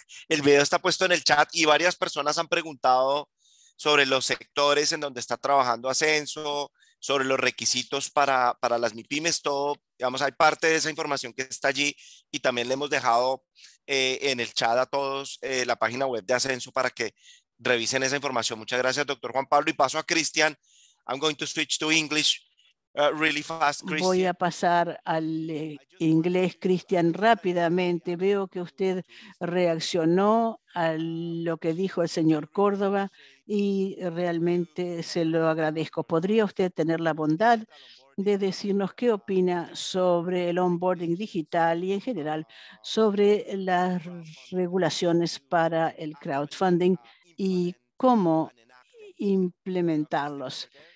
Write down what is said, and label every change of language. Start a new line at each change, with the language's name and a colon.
Spanish: El video está puesto en el chat y varias personas han preguntado sobre los sectores en donde está trabajando Ascenso, sobre los requisitos para las MIPYMES, todo, digamos, hay parte de esa información que está allí y también le hemos dejado en el chat a todos la página web de Ascenso para que revisen esa información. Muchas gracias, doctor Juan Pablo. Y paso a Cristian.
English: I'm going to switch to English really fast, Cristian.
Spanish: Voy a pasar al inglés, Cristian, rápidamente. Veo que usted reaccionó a lo que dijo el señor Córdoba y realmente se lo agradezco. ¿Podría usted tener la bondad de decirnos qué opina sobre el onboarding digital y en general sobre las regulaciones para el crowdfunding y cómo implementarlos?